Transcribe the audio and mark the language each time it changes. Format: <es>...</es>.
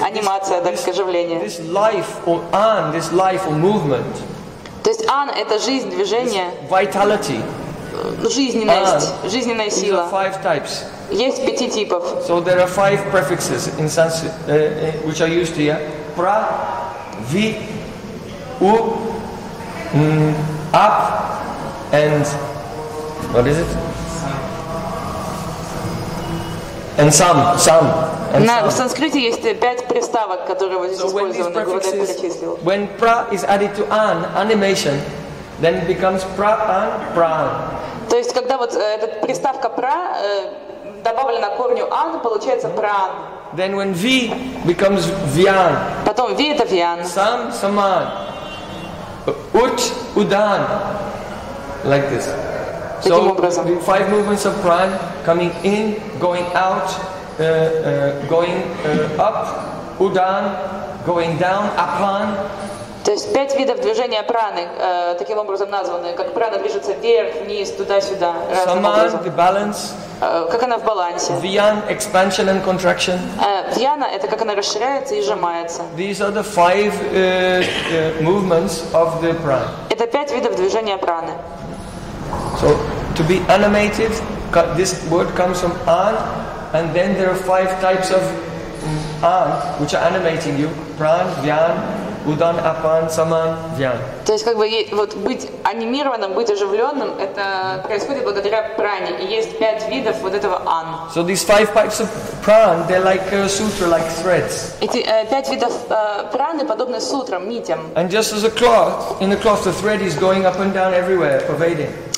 <ru>Анимация, так сказать, оживление.</ru> <en>This life or an, this life or movement.</en> <ru>То есть an это жизнь, движение.</ru> <en>Vitality.</en> <ru>Жизненность, жизненная сила.</ru> <en>These are five types.</en> <ru>Есть пяти типов.</ru> <en>So there are five prefixes in Sanskrit which are used here: pra, vi, u. Up and what is it? And some.</en> <ru>В санскрите есть пять приставок, которые вот здесь использованы, которые я перечислил.</ru> <en>When pra is added to an, animation, then it becomes pra an pran.</en> <ru>То есть когда вот эта приставка pra добавлена к корню an, получается pran.</ru> <en>Then when v becomes vyan.</en> <ru>Потом v это vyan.</ru> <en>Sam saman. Ut udan. Like this. So five movements of prana coming in, going out, going up, udan, going down, apan.</en> <ru>То есть пять видов движения праны, таким образом названные, как прана движется вверх, вниз, туда-сюда, разным образом.</ru> <en>The balance.</en> <ru>Как она в балансе?</ru> <en>Vyan, expansion and contraction.</en> <ru>Vyana это как она расширяется и сжимается.</ru> <en>These are the five movements of the prana.</en> <ru>Это пять видов движения праны.</ru> <en>So to be animated, this word comes from an, and then there are five types of an which are animating you: pran, vyan, udan, apan, saman, vyan.</en> <ru>То есть как бы вот быть анимированным, быть оживленным, это происходит благодаря пране, и есть пять видов вот этого an.</ru> <en>So these five types of pran, they're like a sutra, like threads.</en> <ru>Эти пять видов праны подобны сутрам, нитям.</ru> <en>And just as a cloth, in the cloth, the thread is going up and down everywhere, pervading.</en>